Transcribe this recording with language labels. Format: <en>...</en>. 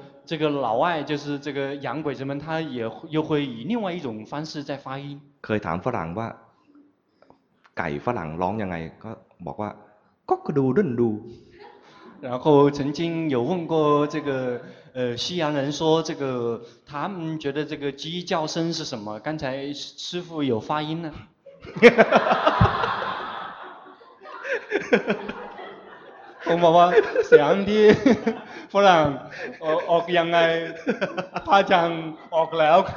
<zh>这个老外就是这个洋鬼子们他也又会以另外一种方式在发音</zh> <th>เคยถามฝรั่งว่าไก่ฝรั่งร้องยังไงก็บอกว่าก็กระดูดันดู</th> <zh>然后曾经有问过这个西洋人说这个他们觉得这个鸡叫声是什么刚才师父有发音呢我妈妈想的不然我应该他讲我来</zh>